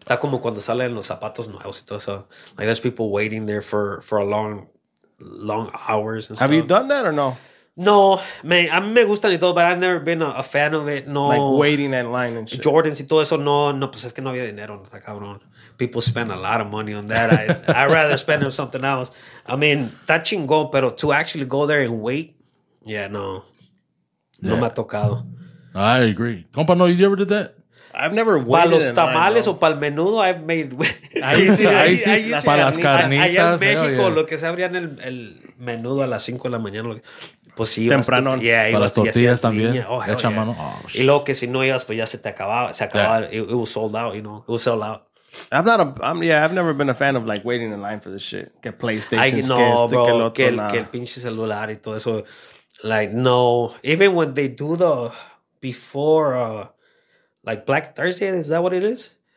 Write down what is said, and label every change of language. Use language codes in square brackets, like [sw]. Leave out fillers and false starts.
[es] está como cuando salen los zapatos nuevos y todo eso. [en] Like, there's people waiting there for a long, long hours and stuff. Have you done that or no? No, man. [es] A mí me gustan y todo, [en] but I've never been a fan of it. No. Like waiting in line and shit. [es] Jordans y todo eso, no, pues es que no había dinero, no está cabrón. [en] People spend a lot of money on that. I'd rather spend it on something else. I mean, that chingo, pero to actually go there and wait, yeah, no. [es] Yeah. No me ha tocado. [en] I agree. Compa, no, you ever did that? I've never waited. [es] Para los tamales o para el menudo, [en] I've made. [es] Sí. Para las carnitas. Allá en México, lo que se abría en el menudo a las 5 de la mañana. Pues sí, temprano. Para las tortillas también. Echa mano. Y luego que si no ibas, pues ya se te acababa. Se acababa. [en] It was sold out, you know. It was sold out. I've never been a fan of like waiting in line for this shit. Get PlayStation skins, [es] no, bro. Que el pinche celular y todo eso. [en] Like, no. Even when they do the before, like Black Thursday, is that what it is?